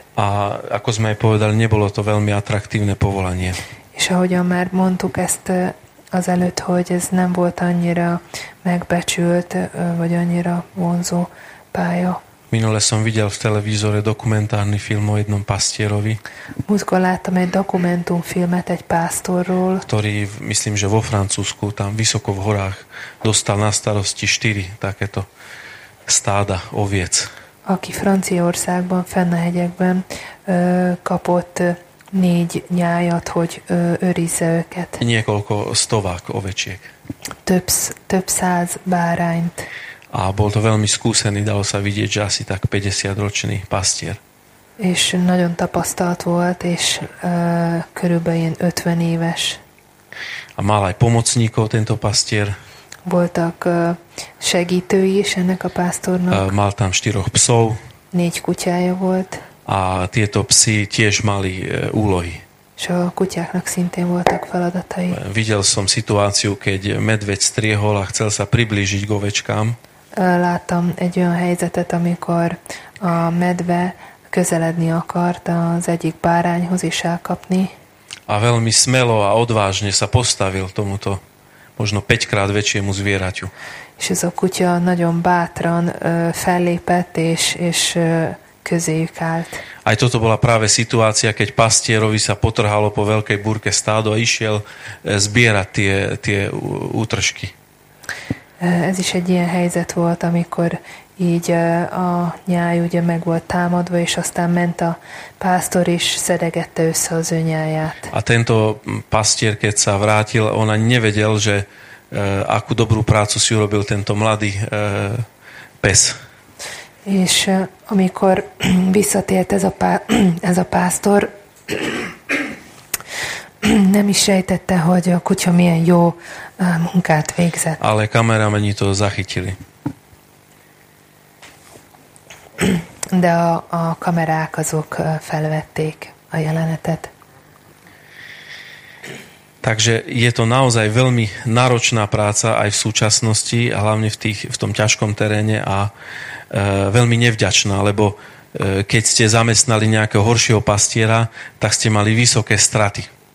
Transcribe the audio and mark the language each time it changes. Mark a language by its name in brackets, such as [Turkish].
[Slovak] A ako sme aj povedali, nebolo to veľmi atraktívne povolanie. [Hungarian] És ahogyan már mondtuk ezt azelőtt, hogy ez nem volt annyira megbecsült, vagy annyira vonzó pálya. [Slovak] Minule som videl v televízore dokumentárny film o jednom pastierovi. [Hungarian] Múltkor láttam egy dokumentumfilmet egy pásztorról. [Slovak] Ktorý, myslím, že vo Francúzsku, tam vysoko v horách, dostal na starosti 4 takéto stáda oviec. [Hungarian] Aki Franciaországban, Fennhegyekben kapott 4 nyájat, hogy őrizze őket. [Slovak] Niekoľko stovák ovečiek. [Hungarian] Több száz bárányt. [Slovak] A bol to veľmi skúsený, dalo sa vidieť, že asi tak 50-ročný pastier. [Hungarian] És nagyon tapasztalt volt, és körülbelül 50 éves. [Slovak] A mal aj pomocníkov tento pastier. [Hungarian] Voltak segítői is ennek a pásztornak. [Slovak] Mal tam 4 psov. [Hungarian] 4 kutyája volt. [Slovak] A tieto psi tiež mali úlohy. [Hungarian] És a kutyáknak szintén voltak feladatai. [Slovak] Videl som situáciu, keď medveď striehol a chcel sa priblížiť k ovečkám. [Hungarian] Láttam egy olyan helyzetet, amikor a medve közeledni akart az egyik bárányhoz is elkapni. [Slovak] A veľmi smelo a odvážne sa postavil tomuto možno 5-krát väčšiemu zvieraťu. [Hungarian] És ez a kutya nagyon bátran fellépett, és közéjük állt. [Slovak] Aj toto bola práve situácia, keď pastierovi sa potrhalo po veľkej búrke stádo a išiel zbierať tie útržky. [Hungarian] Ez is egy ilyen helyzet volt, amikor így a nyáj ugye meg volt támadva, és aztán ment a pásztor is, szedegette össze az ő nyáját. [Slovak] A tento pastier, keď sa vrátil, on ani nevedel, že akú dobrú prácu si urobil tento mladý pes. [Hungarian] És amikor visszatért ez a pásztor, nem is sejtette, hogy a kutya milyen jó munkát végzett. [Slovak] Ale kameramennyi to zachytili. [Hungarian] De a kamerák azok felvették a jelenetet. [Slovak] Takže je to naozaj veľmi náročná práca aj v súčasnosti, hlavne v tom ťažkom teréne a veľmi nevďačná, lebo keď ste zamestnali nejakého horšieho pastiera, tak ste mali vysoké straty.